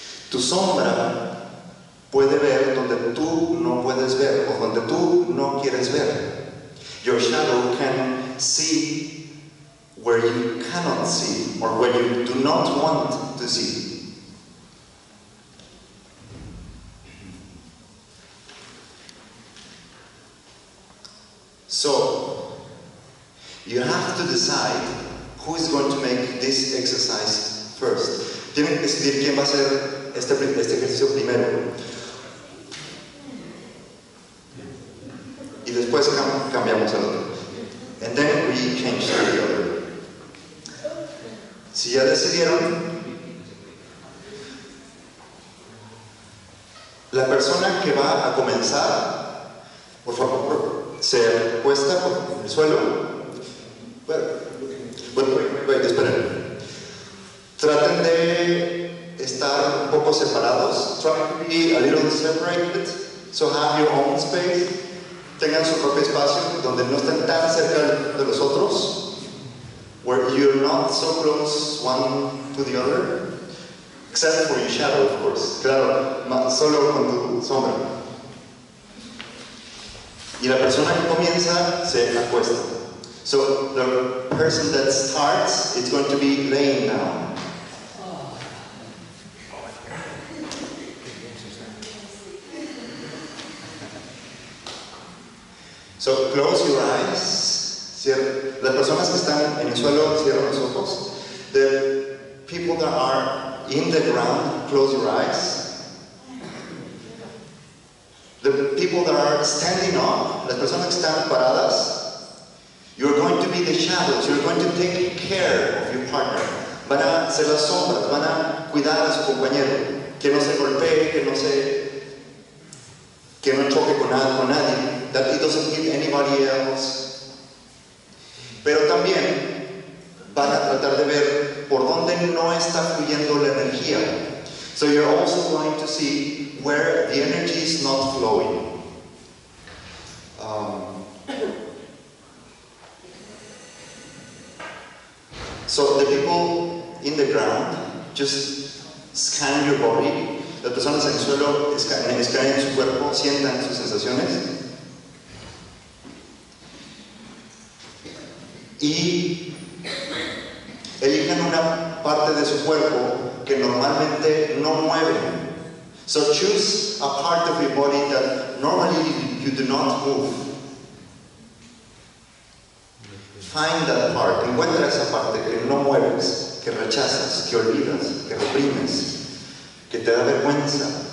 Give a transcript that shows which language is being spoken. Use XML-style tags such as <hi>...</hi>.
<es>Tu sombra puede ver donde tú no puedes ver o donde tú no quieres ver.</es> <en>Your shadow can see where you cannot see or where you do not want to see. So, you have to decide who is going to make this exercise first.</en> <es>Tienen que decidir quién va a hacer este ejercicio primero. Y después cambiamos al otro.</es> <en>And then we change to the other.</en> <es>Si ya decidieron, La persona que va a comenzar, por favor, se acuesta con el suelo. Bueno, esperen. Traten de estar un poco separados.</es> <en>Try to be a little separated. So have your own space.</en> <es>Tengan su propio espacio donde no estén tan cerca de los otros.</es> <en>Where you're not so close one to the other. Except for your shadow, of course.</en> <es>Claro, solo con tu sombra. Y la persona que comienza se acuesta.</es> <en>So the person that starts, it's going to be laying down. So close your eyes.</en> <es>Las personas que están en el suelo, cierran los ojos.</es> <en>The people that are in the ground, close your eyes. The people that are standing up,</en> <es>las personas que están paradas,</es> <en>you're going to be the shadows, you're going to take care of your partner.</en> <es>Van a ser las sombras, van a cuidar a su compañero. Que no se golpee, que no choque con nadie.</es> <en>That he doesn't hit anybody else.</en> <es>Pero también van a tratar de ver por dónde no está fluyendo la energía.</es> <en>So you're also going to see where the energy is not flowing. So the people in the ground, just scan your body.</en> <es>Las personas en el suelo escanean su cuerpo, sientan sus sensaciones. Y elijan una parte de su cuerpo que normalmente no mueven.</es> <en>So choose a part of your body that normally you do not move. Find that part,</en> <es>encuentra esa parte que no mueves, que rechazas, que olvidas, que reprimes, que te da vergüenza.</es>